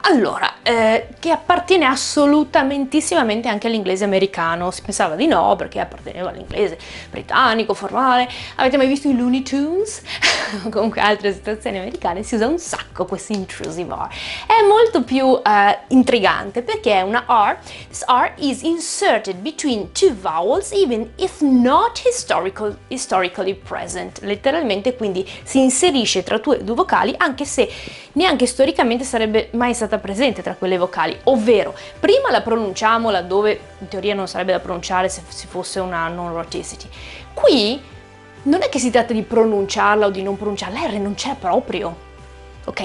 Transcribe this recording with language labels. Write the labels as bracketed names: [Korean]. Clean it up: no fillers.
[Italian] Allora, che appartiene assolutamente anche all'inglese americano. Si pensava di no, perché apparteneva all'inglese britannico, formale. Avete mai visto i Looney Tunes? Comunque altre situazioni americane si usa un sacco questo intrusive R. È molto più intrigante, perché è una R. [English] This R is inserted between two vowels even if not historically present. [Italian] Letteralmente, quindi, si inserisce tra due vocali anche se neanche storicamente sarebbe mai stata presente tra quelle vocali, ovvero prima la pronunciamo laddove in teoria non sarebbe da pronunciare se si fosse una non rhoticity. Qui non è che si tratta di pronunciarla o di non pronunciarla, la R non c'è proprio, ok?